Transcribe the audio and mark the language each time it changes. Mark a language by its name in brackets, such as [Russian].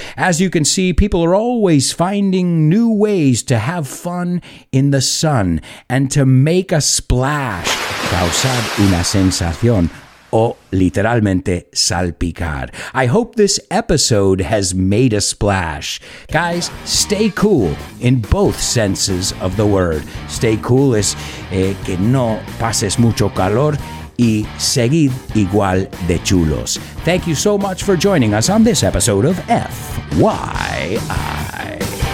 [English] As you can see, people are always finding new ways to have fun in the sun and to make a splash. [Spanish] Causar una sensación. O literalmente salpicar. [English] I hope this episode has made a splash. Guys, stay cool in both senses of the word. Stay cool [Spanish] es que no pases mucho calor y seguid igual de chulos. [English] Thank you so much for joining us on this episode of FYI.